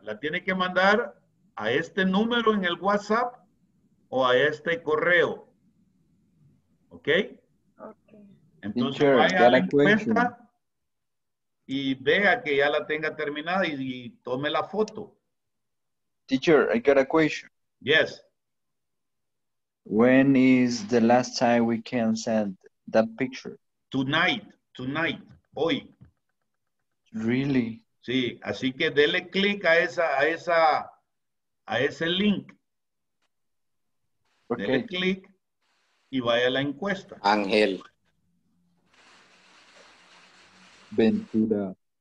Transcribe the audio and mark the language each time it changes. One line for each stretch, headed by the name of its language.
Spanish: La tiene que mandar a este número en el WhatsApp o a este correo. ¿Ok? Entonces vaya a la encuesta y vea que ya la tenga terminada y tome la foto.
English: Teacher, I got a question. Yes. When is the last time we can send that picture? Tonight,
Spanish: hoy.
English: Really?
Spanish: Sí, así que dele click a ese link. Okay. Dele click y vaya a la encuesta. Ángel. Ventura.